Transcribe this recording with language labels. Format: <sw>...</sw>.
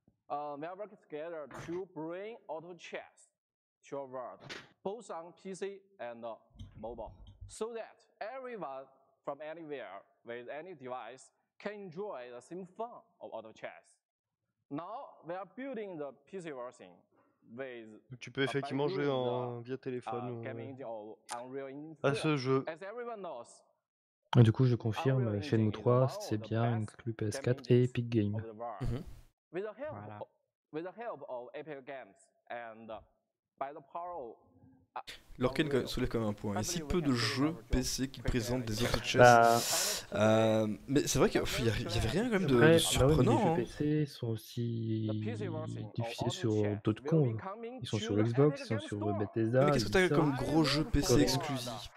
<en>We are working together to bring auto chess to our world, both on PC and mobile, so that everyone from anywhere with any device can enjoy the same fun of auto chess. Now we are building the PC version with.</en> <fr>Tu peux effectivement jouer en via téléphone ou.</fr> <en>Unreal Engine.</en> <fr>À ce jeu.</fr> <en>As everyone knows,</en> <fr>et du coup, je confirme, Shenmue 3, c'est bien, inclus PS4 et Epic Games.</fr> <en>With the help, voilà. With the help of Epic Games and by the power of.</en> <fr>Lorcan soulève quand même un point. Il y a si peu de jeux PC qui présentent des auto chess. Mais c'est vrai qu'il n'y avait rien quand même de surprenant. Les jeux PC sont aussi diffusés sur d'autres cons. Ils sont sur Xbox, ils sont sur Bethesda. Mais qu'est-ce que t'as comme gros jeu PC exclusif?</fr>